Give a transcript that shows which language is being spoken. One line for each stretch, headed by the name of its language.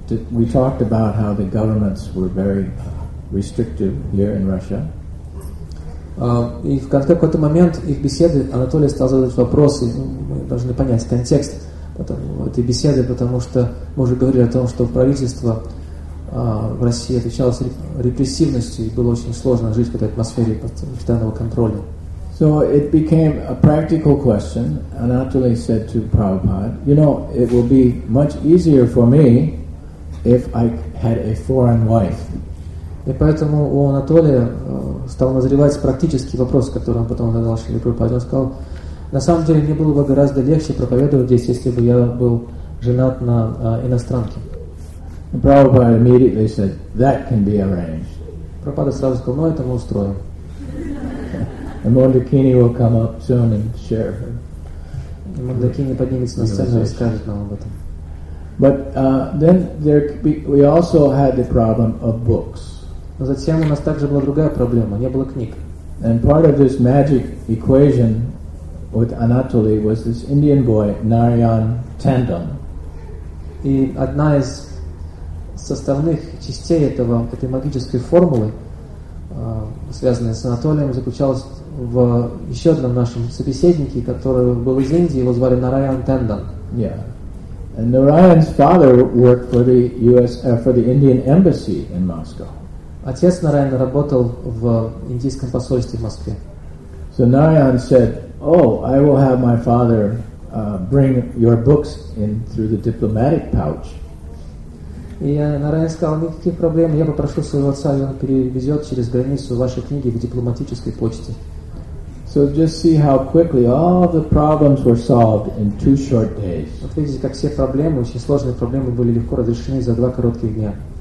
English: We talked about how the governments were very restrictive here in Russia.
Russian: И в какой-то момент их беседы Анатолий стал задавать вопросы. Мы должны понять контекст этой беседы, потому что мы уже говорили о том, что правительство в России отличалось репрессивностью, и было очень сложно жить в этой атмосфере постоянного контроля.
English: So it became a practical question. Anatoly said to Prabhupada, you know, it will be much easier for me if I had a foreign wife.
Russian: И поэтому у Анатолия стал назревать практический вопрос, который он потом задал Шри Прабхупаде. Он сказал, на самом деле мне было бы гораздо легче проповедовать здесь, если бы я был женат на иностранке.
English: And Prabhupada immediately said, that can be arranged.
Russian: Прабхупада сразу сказал, ну это мы устроим.
English: And Mandakini will come up soon and share her.
Russian: Mandakini поднимется на сцену и скажет нам об этом.
English: But then there we also had the problem of books.
Russian: Но затем у нас также была другая проблема. Не было книг.
English: And part of this magic equation with Anatoly was this Indian boy Narayan Tandon.
Russian: И одна из составных частей этой магической формулы, связанная с Анатолием, заключалась в еще одном нашем собеседнике, который был из Индии, его звали Нараян Тандон.
English: Yeah. And Narayan's father worked for the U.S. For the Indian embassy in Moscow.
Russian: Отец Нараяна работал в индийском посольстве в Москве.
English: So Narayan said, "Oh, I will have my father bring your books in through the diplomatic pouch."
Russian: И Нараян сказал, никаких проблем, я попрошу своего отца, и он перевезет через границу ваши книги в дипломатической почте.
English: So just see how quickly all the problems were solved in two short days.
Russian: Вот видите, как все проблемы, очень сложные проблемы, были легко разрешены за два коротких дня.